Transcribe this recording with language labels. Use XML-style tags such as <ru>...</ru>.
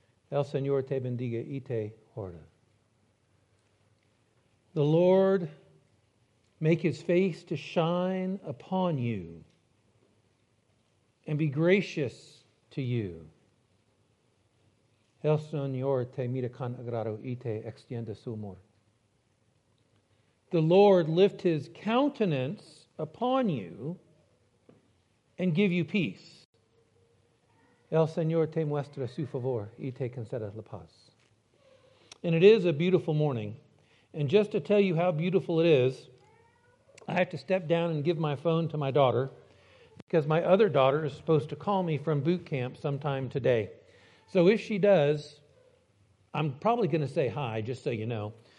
<es>El Señor te bendiga y te guarde.</es> <en>The Lord make his face to shine upon you and be gracious to you.</en> <es>El Señor te mira con agrado y te extiende su amor.</es> <en>The Lord lift his countenance upon you and give you peace.</en> <es>El Señor te muestra su favor y te concede la paz.</es> <en>And it is a beautiful morning. And just to tell you how beautiful it is, I have to step down and give my phone to my daughter because my other daughter is supposed to call me from boot camp sometime today. So if she does, I'm probably going to say hi, just so you know.</en>